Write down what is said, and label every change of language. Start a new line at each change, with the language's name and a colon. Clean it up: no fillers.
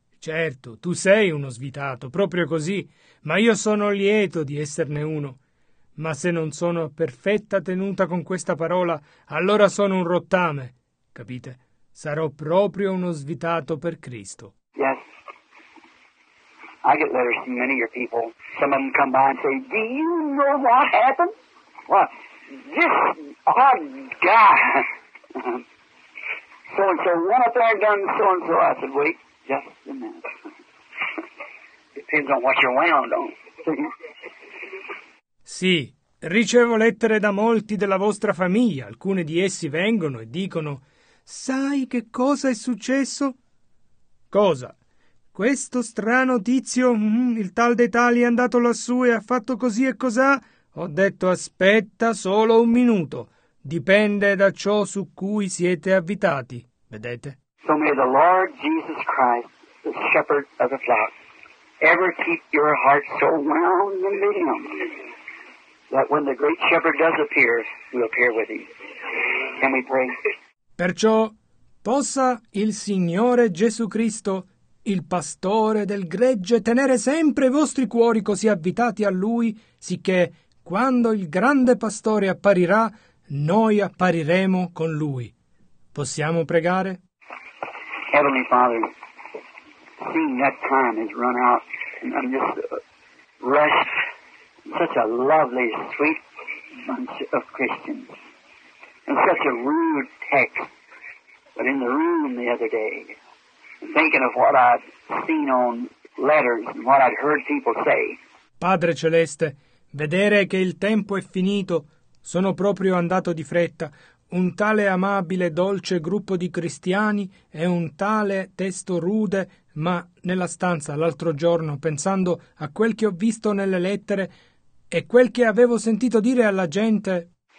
Italian: Certo, tu sei uno svitato, proprio così, ma io sono lieto di esserne uno. Ma se non sono a perfetta tenuta con questa parola, allora sono un rottame, capite? Sarò proprio uno svitato per Cristo.
English: Yes. I get letters from many of your people. Some of them come by and say, do you know what happened? What? This odd guy. So-and-so went up there and done so-and-so. I said, wait just a minute. Depends on what you're wound on.
Italian: Sì, ricevo lettere da molti della vostra famiglia. Alcune di essi vengono e dicono, sai che cosa è successo? Cosa? Questo strano tizio, il tal dei tali, è andato lassù e ha fatto così e cos'ha? Ho detto, aspetta solo un minuto. Dipende da ciò su cui siete avvitati, vedete?
English: So may the Lord Jesus Christ, the shepherd of the flock, ever keep your heart so wound in him that when the great shepherd does appear, we'll appear with him. Can we pray?
Italian: Perciò, possa il Signore Gesù Cristo, il pastore del gregge, tenere sempre i vostri cuori così avvitati a lui, sicché quando il grande pastore apparirà, noi appariremo con lui. Possiamo pregare?
English: Heavenly Father, seeing that time has run out, and I'm just rushed, such a lovely, sweet bunch of Christians, and such a rude text, but in the room the other day, thinking of what I'd seen on letters and what I'd heard people say.
Italian: Padre Celeste, vedere che il tempo è finito, sono proprio andato di fretta. Un tale amabile, dolce gruppo di cristiani e un tale testo rude, ma nella stanza l'altro giorno, pensando a quel che ho visto nelle lettere e quel che avevo sentito dire alla gente.